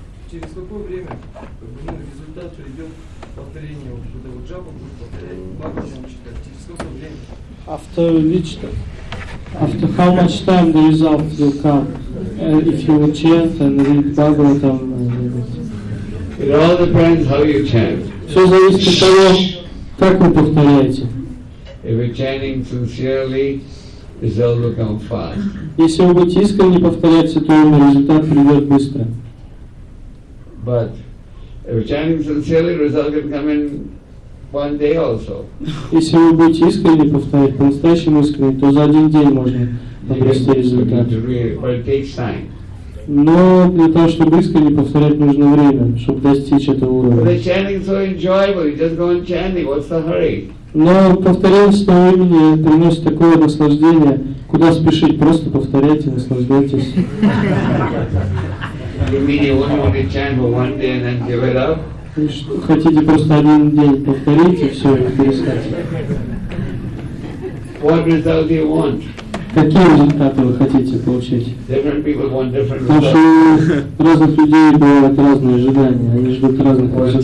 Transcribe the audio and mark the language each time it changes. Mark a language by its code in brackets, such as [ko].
[ru] Через какое время результат придет повторение вот этого джапа будет повторять? Через какое время? [en] After how much time the result will come? If you will chant and read Bhagavatam. It all depends how you chant. [ru] Все зависит от того, как вы повторяете. [en] If you're chanting sincerely, the result will come fast. [ru] Если вы будете искренне повторяться, то ему результат придет быстро. [en] But if you're chanting sincerely, the result can come in one day also. [ru] Если вы будете искренне повторять, по-настоящему искренне, то за один день можно обрести результат. [en] But it takes time. [ru] Но для того, чтобы искренне повторять, нужно время, чтобы достичь этого уровня. [en] The chanting is so enjoyable. You just go on chanting. What's the hurry? [ru] Но повторение своего имени приносит такое наслаждение. Куда спешить? Просто повторяйте, наслаждайтесь. [en] You mean you only want to chant for one day and then give it up? [ru] Хотите просто один день повторить и все, и перестать? [en] What result do you want? [ru] Какие результаты вы хотите получить? [en] Different people want different [ru] Потому что у разных людей бывают разные ожидания, они ждут разных результатов.